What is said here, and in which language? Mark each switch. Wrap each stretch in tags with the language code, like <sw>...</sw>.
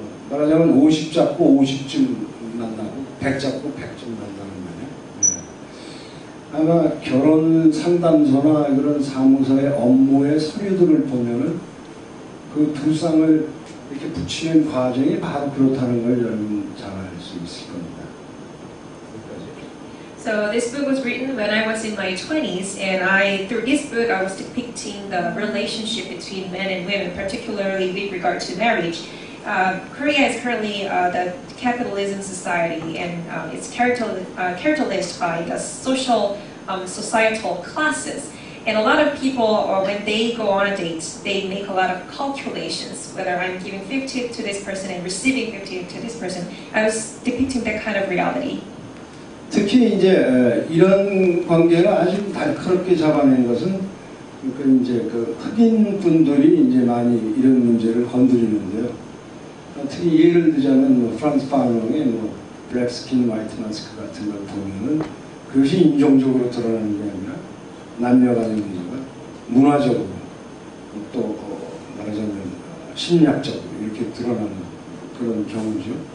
<ko>말하자면 50 잡고 50쯤 만나고 100 잡고 100쯤 만나는 거네요. 예. 아마 결혼 상담소나 그런 사무소의 업무의 서류들을 보면은 그 두 쌍을 이렇게 붙이는 과정이 바로 그렇다는 걸 여러분 잘 알 수 있을 겁니다.</ko> <en>So this book was written when I was in my 20s, and I through this book I was depicting the relationship between men and women, particularly with regard to marriage. Korea is currently the capitalism society, and it's characterized by the social societal classes. And a lot of people, when they go on a date, they make a lot of calculations, whether I'm giving 50 to this person and receiving 50 to this person. I was depicting that kind of reality.</en> <ko>특히 이제 이런 관계를 아주 날카롭게 잡아낸 것은 그 이제 그 흑인 분들이 이제 많이 이런 문제를 건드리는데요. 특히 예를 들자면 뭐 프란츠 파노의 뭐 블랙 스킨 화이트 마스크 같은 걸 보면은 그것이 인종적으로 드러나는 게 아니라 남녀간의 문제가 문화적으로 또 말하자면 심리학적으로 이렇게 드러나는 그런 경우죠.</ko>